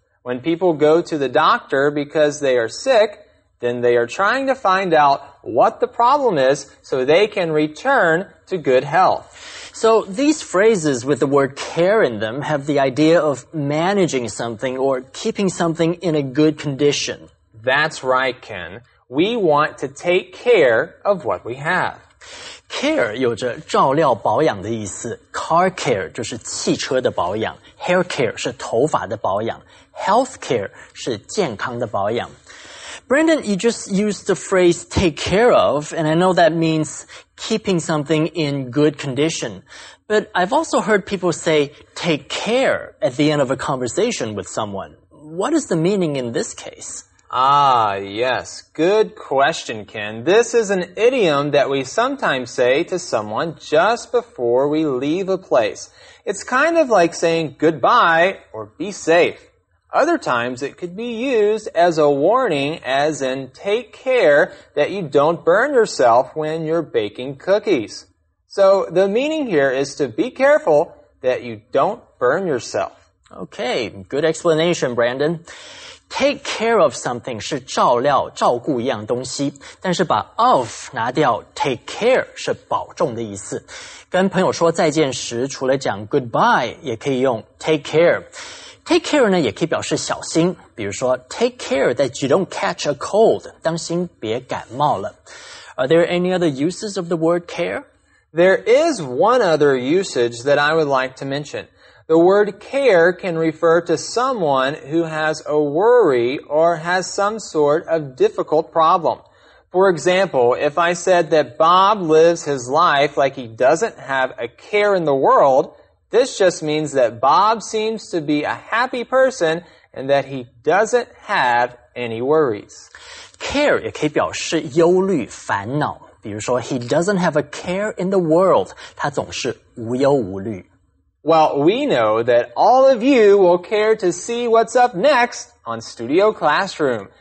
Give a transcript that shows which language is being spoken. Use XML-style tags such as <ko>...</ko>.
<en>When people go to the doctor because they are sick, then they are trying to find out what the problem is so they can return to good health. So these phrases with the word care in them have the idea of managing something or keeping something in a good condition. That's right, Ken. We want to take care of what we have.</en> <zh>Care 有着照料保养的意思。Car care 就是汽车的保养。 Hair care 是头发的保养。Health care 是健康的保养。</zh> <en>Brandon, you just used the phrase take care of, and I know that means keeping something in good condition. But I've also heard people say take care at the end of a conversation with someone. What is the meaning in this case? Ah, yes. Good question, Ken. This is an idiom that we sometimes say to someone just before we leave a place. It's kind of like saying goodbye or be safe. Other times, it could be used as a warning, as in, take care that you don't burn yourself when you're baking cookies. So, the meaning here is to be careful that you don't burn yourself. Okay, good explanation, Brandon.</en> <zh>Take care of something 是照料、照顾一样东西，但是把 of 拿掉 ,take care 是保重的意思。跟朋友说再见时，除了讲 goodbye, 也可以用 take care。 Take care 呢也可以表示小心，比如说</zh> <en>take care that you don't catch a cold,</en> <zh>当心别感冒了。</zh> <en>Are there any other uses of the word care? There is one other usage that I would like to mention. The word care can refer to someone who has a worry or has some sort of difficult problem. For example, if I said that Bob lives his life like he doesn't have a care in the world,This just means that Bob seems to be a happy person and that he doesn't have any worries.</en> <zh>Care 也可以表示忧虑、烦恼。比如说</zh> <en>he doesn't have a care in the world.</en> <zh>他总是无忧无虑。</zh> <en>Well, we know that all of you will care to see what's up next on Studio Classroom.</en>